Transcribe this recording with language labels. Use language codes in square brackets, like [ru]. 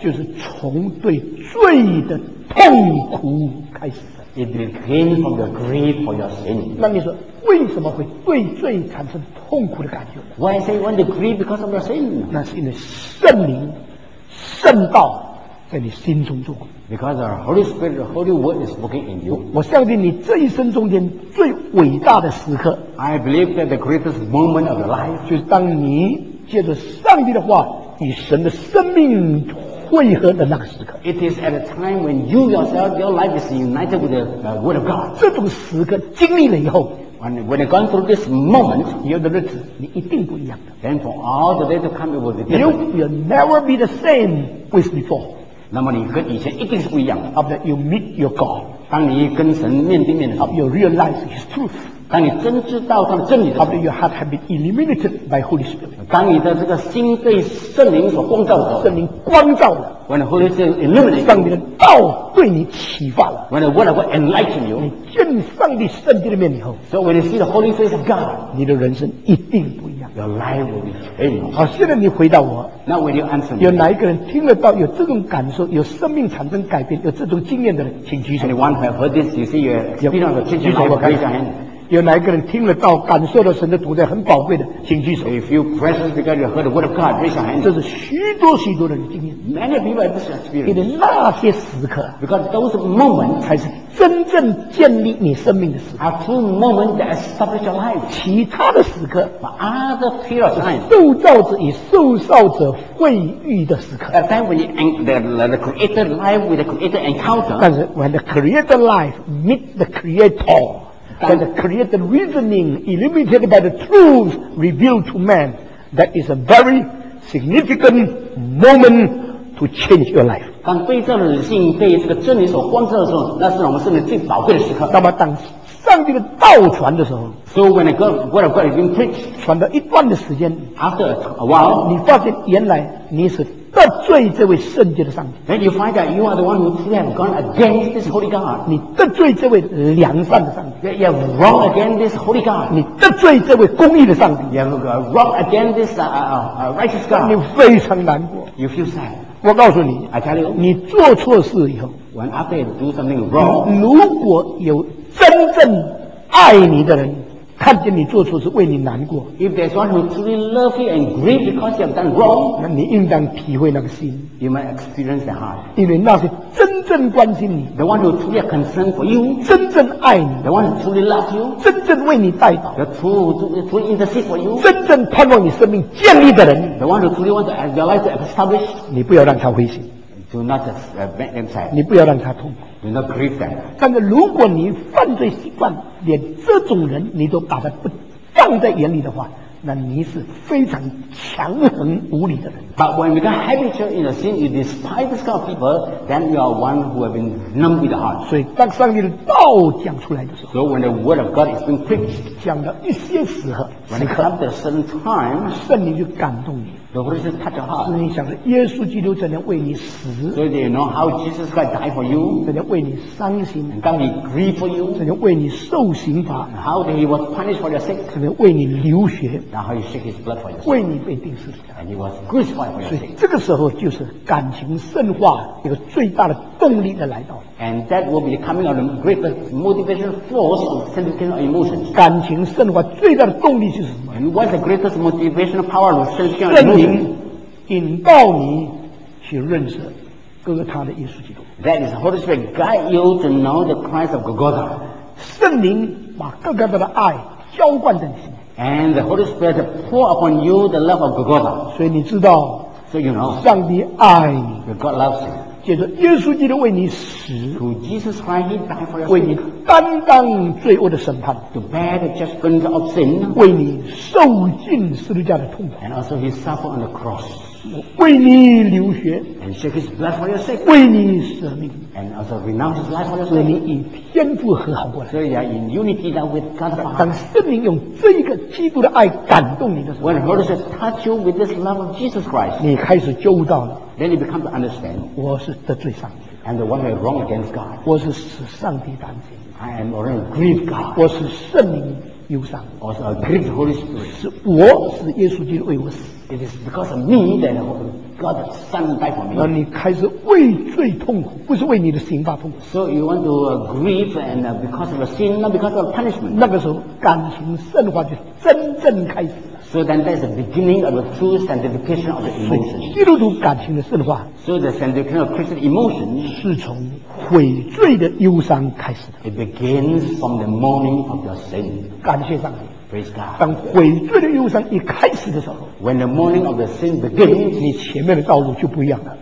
[zh] 就是从对罪的痛苦开始。 [en] It begins from your grief for your sin. [zh] 那你说为什么会对罪产生痛苦的感觉？ [en] Why say when the grief because of your sin? [zh] 那是因为圣灵、圣道在你心中做工。 [en] Because the Holy Spirit, the Holy Word is working in you. [zh] 我相信你这一生中间最伟大的时刻。 [en] I believe that the greatest moment of your life [zh] 就是当你借着上帝的话与神的生命。汇合的那个时刻 [en] It is at a time when you yourself, your life is united with the word of God. [zh] 这种时刻经历了以后 [en] When you've gone through this moment, [zh] 以后的日子你一定不一样的 [en] Then for all the days to come, it will be different. You will never be the same with before. [zh] 那么你跟以前一定是不一样的 [en] After you meet your God. [zh] 当你跟神面对面的时候 [en] After you realize His truth. [zh] 当你真知道他的真理的时候 [en] After your heart has been eliminated by Holy Spirit. [zh] 当你的这个心被圣灵所光照的时候，圣灵光照的 [en] ，When the Holy Spirit illuminates， [zh] 上帝的道对你启发了 [en] ，When the Word of God enlightens you， [zh] 你见上帝圣洁的面以后 [en] ，So when you see the Holy Face of God， [zh] 你的人生一定不一样 [en] ，Your life will be changed。 [zh] 好，现在你回答我 [en] ，Now will you answer me？ [zh] 有哪一个人听得到有这种感受，有生命产生改变，有这种经验的人，请举手。 [en] Anyone who heard this， you see you experience the change in life， raise your hand。 [zh] 有哪一个人听了到感受了神的同在很宝贵的请举手 [en] If you precious because you heard the word of God raise your hand [zh] 这是许多许多人的经验 [en] Many people have this experience [zh] 因为那些时刻 [en] Because those moments [zh] 才是真正建立你生命的时刻 [en] A true moment that establish your life [zh] 其他的时刻 [en] Other period of time [zh] 受造者与受造者会遇的时刻 [en] At that time when you the creator life with the creator encounter [zh] 但是 [en] when the creator life meet the creator And the created reasoning illuminated by the truth revealed to man, that is a very significant moment to change your life. [zh] 当对照的理性被这个真理所光照的时候，那是我们生命最宝贵的时刻。那么当上帝的道传的时候 [en] ，So when the word of God is being preached, [zh] 传了一段的时间 [en] ，After a while, [zh] 你发现原来你是得罪这位圣洁的上帝。 [en] Then you find that you are the one who truly have gone against this holy God. [zh] 你得罪这位良善的上帝。 [en] You have wronged against this holy God. [zh] 你得罪这位公义的上帝。 [en] You have wronged against this righteous God. [zh] 你非常难过。 [en] You feel sad. [zh] 我告诉你 [en] ，I tell you， [zh] 你做错事以后 [en] ，When after you do something wrong， [zh] 如果有真正爱你的人。看见你做错是为你难过。 [en] If there's one who truly loves you and grieve because you have done wrong， [zh] 那你应当体会那个心。 [en] You might experience the heart， [zh] 因为那是真正关心你。 [en] The one who truly concerned for you， [zh] 真正爱你。 [en] The one who truly loves you， [zh] 真正为你代祷。 [en] The true who truly intercede for you， [zh] 真正盼望你生命建立的人。 [en] The one who truly wants your life to establish， [zh] 你不要让他灰心。 [en] Do not just make them sad， [zh] 你不要让他痛苦。 [en] Do not grieve them。 [zh] 但是如果你犯罪习惯。连这种人你都把他不放在眼里的话，那你是非常强横无理的人。 [en] But when you become habitual in your sin, you despise this kind of people, then you are one who have been numb with the heart. [zh] 所以当上帝的道讲出来的时候 [en] ，So when the word of God is being preached， [zh] 讲到一些时候 [en] ，When it comes to a certain time， [zh] 圣灵就感动你。 [en] The Holy Spirit touch your heart。 [zh] 所以你想着耶稣基督怎样为你死 [en] ，So that you know how Jesus Christ died for you， [zh] 怎样为你伤心 [en] ，And God he grieved for you， [zh] 怎样为你受刑罚 [en] ，And how that he was punished for your sin， [zh] 怎样为你流血 [en] ，And how he shed his blood for you， [zh] 为你被钉死 [en] ，And he was crucified。 [zh] 所以这个时候就是感情深化一个最大的动力的来到了。 [en] And that will be the coming of the greatest motivation force of sentimental emotions. [zh] 感情深化最大的动力是什么 [en] ？And what's the greatest motivation power of sentimental emotions? [zh] 圣灵引导你去认识哥哥他的耶稣基督。 [en] That is Holy Spirit guide you to know the Christ of Golgotha. [zh] 圣灵把哥哥他的爱浇灌在你心。 [en] And the Holy Spirit pour upon you the love of God. [zh] 所以你知道 [en] ，So you know， [zh] 上帝爱你 [en] ，God loves you。 [zh] 接着，耶稣基督为你死 [en] ，To Jesus Christ He died for your sin， [zh] 为你担当罪恶的审判 [en] ，To bear the judgment of sin， [zh] 为你受尽十字架的痛苦 [en] ，And also He suffered on the cross， [zh] 为你流血 [en] ，And shed His blood for your sin， [zh] 为你舍命。 [en] And also renounce his life for your sake. [zh] 你与天父和好过来。 [en] So you are in unity now with God. [zh] 当圣灵用这一个基督的爱感动你的时候 [en] ，When Holy Spirit touch you with this love of Jesus Christ， [zh] 你开始觉悟到了。 [en] Then you become to understand， [zh] 我是得罪上帝。 [en] And the one who is wrong against God， [zh] 我是使上帝担心。 [en] I am already grieved God， [zh] 我是圣灵忧伤。 [en] Also a grieved Holy Spirit， [zh] 是我使耶稣基督为我死。 [en] It is because of me that God has died for me. [zh] 那你开始为罪痛苦，不是为你的刑罚痛苦。 [en] So you want to grieve and because of the sin, not because of the punishment. [zh] 那个时候感情深化就真正开始了。 [en] So then that's the beginning of the true sanctification of the emotion. [zh] 基督徒感情的深化。 [en] So the sanctification of Christian emotion [zh] 是从悔罪的忧伤开始的。 [en] It begins from the mourning of your sin. [zh] 感谢上帝。 [en] Praise God. [zh] 当悔罪的忧伤一开始的时候 [en] ，When the morning of the sin begins， [zh] 你前面的道路就不一样了。